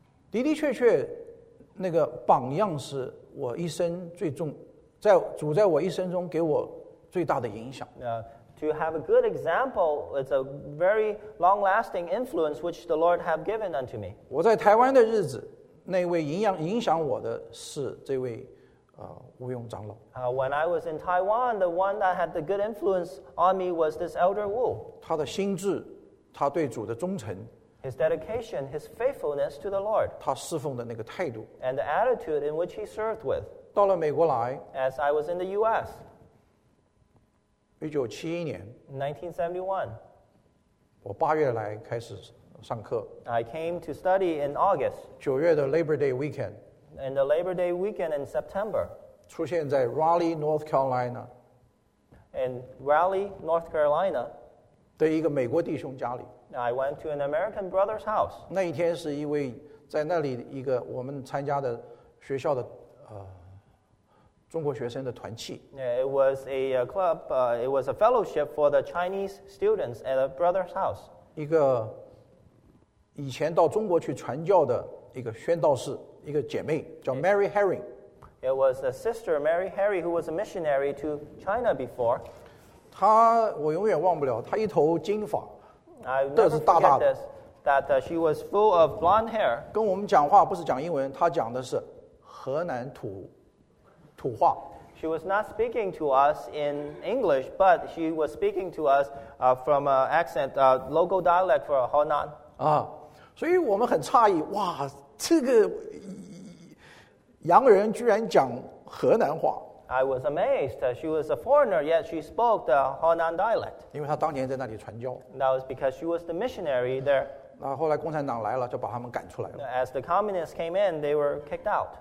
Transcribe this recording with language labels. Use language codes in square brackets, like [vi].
[zh] 的的确确那个榜样是我一生最重在主在我一生中给我最大的影响。 [en] To have a good example, it's a very long-lasting influence which the Lord have given unto me. [zh] 我在台湾的日子，那位影响我的是这位吴勇长老。 [en] When I was in Taiwan, the one that had the good influence on me was this Elder Wu. [zh] 他的心智，他对主的忠诚。 [en] His dedication, his faithfulness to the Lord. [zh] 他侍奉的那个态度。 [en] And the attitude in which he served with. [zh] 到了美国来。 [en] As I was in the U.S. [zh] 1971年。 [en] 1971. [zh] 我8月来开始上课。 [en] I came to study in August. [zh] 9月的 [en] Labor Day weekend. And the Labor Day weekend in September. [zh] 出现在 Raleigh, North Carolina. [en] In Raleigh, North Carolina. [zh] 的一个美国弟兄家里。 [en] I went to an American brother's house. [zh] 那一天是一位在那里一个我们参加的学校的中国学生的团契。 [en] It was a club. It was a fellowship for the Chinese students at a brother's house. [zh] 一个以前到中国去传教的一个宣道士，一个姐妹叫 Mary Herring。 [en] It was a sister, Mary Herring, who was a missionary to China before. [zh] 她我永远忘不了，她一头金发。 [en] I never forget this, that she was full of blonde hair. [zh] 跟我们讲话不是讲英文，她讲的是河南土话。 [en] She was not speaking to us in English, but she was speaking to us from an accent, a local dialect for Henan. [zh] 啊，所以我们很诧异，哇，这个洋人居然讲河南话。 [en] I was amazed. She was a foreigner, yet she spoke the Henan dialect. [zh] 因为她当年在那里传教。 [en] That was because she was the missionary there. [zh] 那后来共产党来了，就把他们赶出来了。 [en] As the communists came in, they were kicked out.